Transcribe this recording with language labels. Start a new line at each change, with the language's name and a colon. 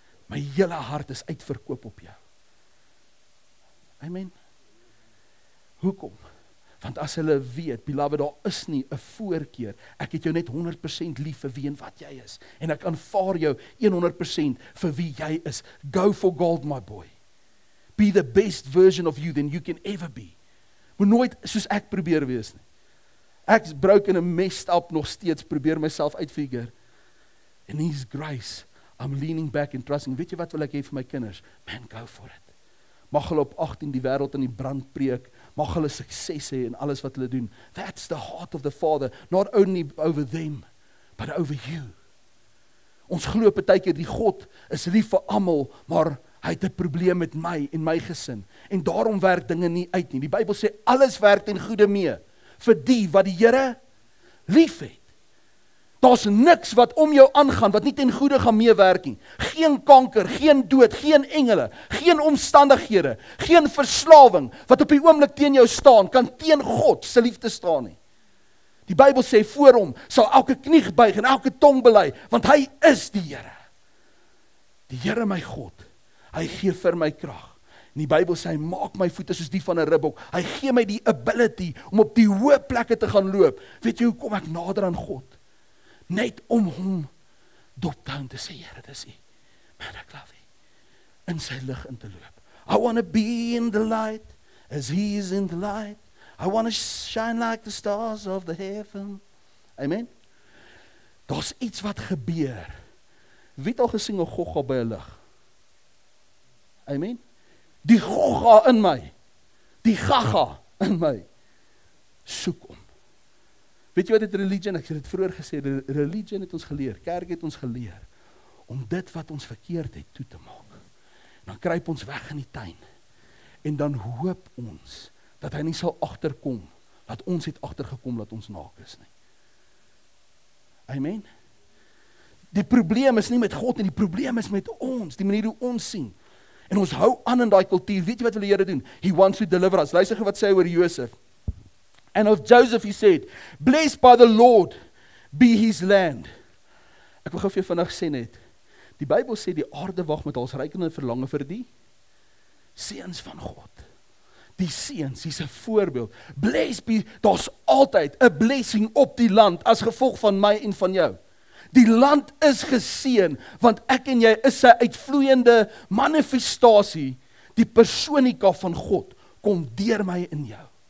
Afrikaans: My hele hart is uitverkoop op jou. Amen. Hoekom? Want as hulle weet, beloved, daar is nie 'n voorkeur. Ek het jou net 100% lief vir wie en wat jy is. En ek aanvaar jou 100% vir wie jy is.
English: Go for gold, my boy. Be the best version of you than you can ever be.
Afrikaans: Moet nooit soos ek probeer wees nie. Ek broke
English: in a messed up
Afrikaans: nog steeds, probeer myself uitfigure.
English: In his grace, I'm leaning back and trusting.
Afrikaans: Weet jy wat wil ek hê vir my kinders? Man,
English: go for it.
Afrikaans: Mag hulle op 18 die wêreld in die brand preek, mag hulle sukses hê in alles wat hulle doen.
English: That's the heart of the Father, not only over them, but over you.
Afrikaans: Ons glo partykeer die God is lief vir almal, maar hy het 'n probleem met my en my gesin. En daarom werk dinge nie uit nie. Die Bybel sê alles werk ten goede mee vir die wat die Here liefhet. Daar's niks wat om jou aangaan, wat nie ten goede gaan meewerk nie. Geen kanker, geen dood, geen engele, geen omstandighede, geen verslawing, wat op die oomblik teen jou staan, kan teen God se liefde staan nie. Die Bybel sê, voor hom sal elke knie buig en elke tong bely, want hy is die Here. Die Here my God, hy gee vir my krag. En die Bybel sê, hy maak my voete soos die van 'n ribbok. Hy gee my die ability om op die hoë plekke te gaan loop. Weet jy, hoe kom ek nader aan God? Net om hom
English: drop down
Afrikaans: te sê, Here, dis hy. Man, ek love hy. In sy lig in te loop.
English: I want to be in the light as he is in the light. I want to shine like the stars of the heaven.
Afrikaans: Amen. Daar's iets wat gebeur. Wie het al gesien 'n gogga by 'n lig? Amen. Die gogga in my. Die gaga in my. Soek om. Weet jy wat het religion, ek het dit vroeger gesê, religion het ons geleer, kerk het ons geleer, om dit wat ons verkeerd het toe te maak. En dan kruip ons weg in die tuin, en dan hoop ons, dat hy nie sal agterkom, dat ons het agtergekom, dat ons naak is nie. Amen? Die probleem is nie met God, en die probleem is met ons, die manier hoe ons sien. En ons hou aan in die kultuur, weet jy wat die Here doen?
English: He wants to deliver us.
Afrikaans: Luister wat sê oor Josef.
English: And of Joseph, he said, blessed by the Lord be his land.
Afrikaans: Ek wil gou vir jou vinnig sê net, die Bybel sê die aarde wag met al sy rykdom en verlange vir die seuns van God. Die seuns, hier's 'n voorbeeld.
English: Blessed be,
Afrikaans: daar's altyd 'n blessing op die land as gevolg van my en van jou. Die land is geseën, want ek en jy is 'n uitvloeiende manifestasie, die persoonika van God, kom deur my in jou.